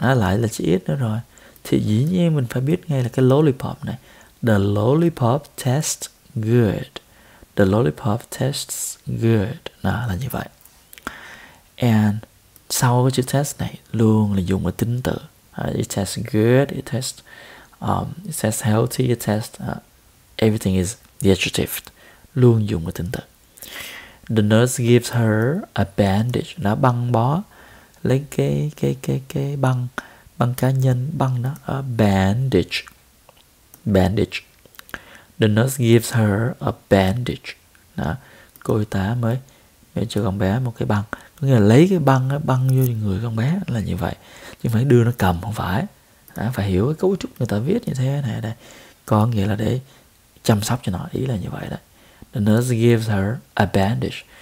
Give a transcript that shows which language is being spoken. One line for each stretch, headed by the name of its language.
Vietnamese: Lại là chữ ít nữa rồi. Thì dĩ nhiên mình phải biết ngay là cái lollipop này.
English: The lollipop tastes good. The lollipop tastes good.
Vietnamese: Đó, là như vậy. And sau cái chữ test này luôn là dùng cái tính từ.
English: It tastes good. It tastes healthy. It tastes everything is the adjective.
Vietnamese: Luôn dùng cái tính từ.
English: The nurse gives her a bandage.
Vietnamese: Nó băng bó. Lấy cái băng băng cá nhân băng nó.
English: Bandage. Bandage. The nurse gives her a bandage.
Vietnamese: Đó. Cô y tá mới cho con bé một cái băng. Có nghĩa là lấy cái băng băng vô người con bé là như vậy. Chứ phải đưa nó cầm không phải. Đó. Phải hiểu cái cấu trúc người ta viết như thế này đây. Có nghĩa là để chăm sóc cho nó, ý là như vậy đấy.
English: The nurse gives her a bandage.